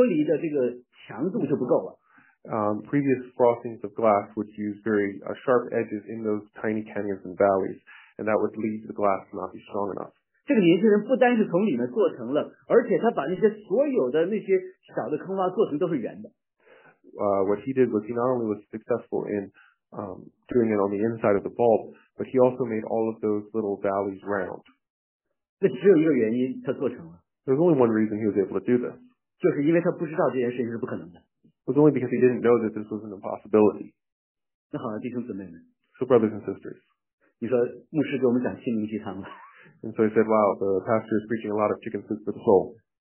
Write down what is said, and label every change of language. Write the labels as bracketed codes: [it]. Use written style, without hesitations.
[zh] 那以前的工艺做磨砂玻璃，细小的磨砂呢，它是那种尖锐的，所以这个玻璃的这个强度就不够了。 [en] Previous frostings of glass would use very sharp edges in those tiny canyons and valleys, and that would lead to the glass to not be strong enough. [zh] 这个年轻人不单是从里面做成了，而且他把那些所有的那些小的坑洼做成都是圆的。 [en] What he did was he not only was successful in doing it on the inside of the bulb, but he also made all of those little valleys round. [zh] 那只有一个原因，他做成了。 [en] There's only one reason he was able to do this. [zh] 就是因为他不知道这件事情是不可能的。 [en] It was only because he didn't know that this was an impossibility. [zh] 那好了，弟兄姊妹们。 [en] So brothers and sisters. [zh] 你说牧师给我们讲心灵鸡汤了。 [en] And so he said, wow, the pastor is preaching a lot of chicken soup for the soul.